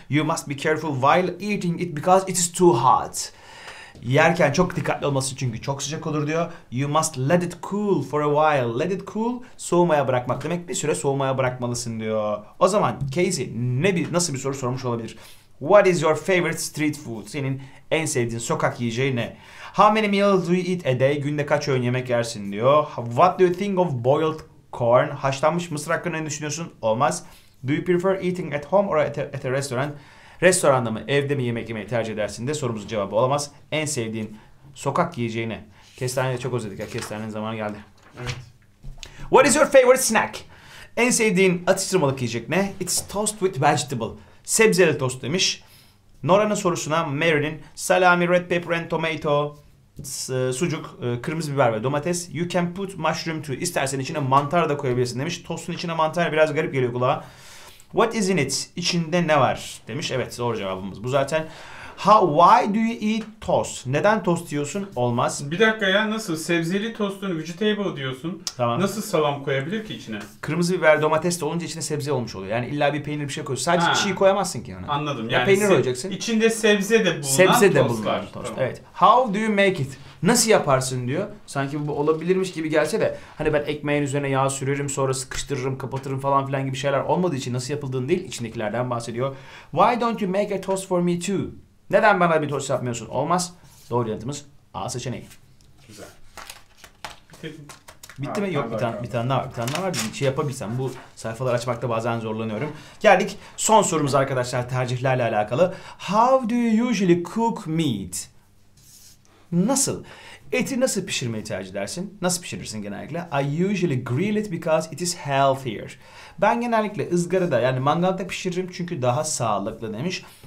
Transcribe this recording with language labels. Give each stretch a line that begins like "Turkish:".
English: You must be careful while eating it because it is too hot.
Turkish: Yerken çok dikkatli olmasın çünkü çok sıcak olur diyor.
English: You must let it cool for a while. Let it cool,
Turkish: soğumaya bırakmak demek. Bir süre soğumaya bırakmalısın diyor. O zaman Casey nasıl bir soru sormuş olabilir?
English: What is your favorite street food?
Turkish: Senin en sevdiğin sokak yiyeceği ne?
English: How many meals do you eat a day?
Turkish: Günde kaç öğün yemek yersin diyor.
English: What do you think of boiled corn?
Turkish: Haşlanmış mısır hakkında ne düşünüyorsun? Olmaz.
English: Do you prefer eating at home or at a restaurant?
Turkish: Restoranda mı, evde mi yemek yemeyi tercih edersin de sorumuzun cevabı olamaz. En sevdiğin sokak yiyeceğine. Kestaneyi de çok özledik ya. Kestanenin zamanı geldi. Evet.
English: What is your favorite snack?
Turkish: En sevdiğin atıştırmalık yiyecek ne?
English: It's toast with vegetable.
Turkish: Sebzeli tost demiş. Nora'nın sorusuna Mary'nin
English: salami, red pepper and tomato,
Turkish: sucuk, kırmızı biber ve domates.
English: You can put mushroom too.
Turkish: İstersen içine mantar da koyabilirsin demiş. Tostun içine mantar biraz garip geliyor kulağa.
English: What is in it?
Turkish: İçinde ne var? Demiş. Evet, doğru cevabımız bu zaten.
English: Why do you eat toast?
Turkish: Neden tost yiyorsun? Olmaz. Bir dakika ya, nasıl? Sebzeli tostun vegetable diyorsun. Tamam. Nasıl salam koyabilir ki içine? Kırmızı biber, domates de olunca içine sebze olmuş oluyor. Yani illa bir peynir bir şey koyuyorsun. Sadece çiğ koyamazsın ki ona. Anladım. Ya yani peynir koyacaksın. İçinde sebze de bulunan tostlar. Sebze de bulunan tost. Tamam. Evet.
English: How do you make it?
Turkish: Nasıl yaparsın diyor. Sanki bu olabilirmiş gibi gelse de hani ben ekmeğin üzerine yağ sürerim sonra sıkıştırırım kapatırım falan filan gibi şeyler olmadığı için nasıl yapıldığını değil içindekilerden bahsediyor.
English: Why don't you make a toast for me too?
Turkish: Neden bana bir toast yapmıyorsun? Olmaz. Doğru yanıtımız A seçeneği. Güzel. Bitti mi? Yok bir tane daha var. Bir şey yapabilsem bu sayfaları açmakta bazen zorlanıyorum. Geldik son sorumuz arkadaşlar tercihlerle alakalı.
English: How do you usually cook meat?
Turkish: Nasıl? Eti nasıl pişirmeyi tercih edersin? Nasıl pişirirsin genellikle?
English: I usually grill it because it is healthier.
Turkish: Ben genellikle ızgarada yani mangalda pişiririm çünkü daha sağlıklı demiş.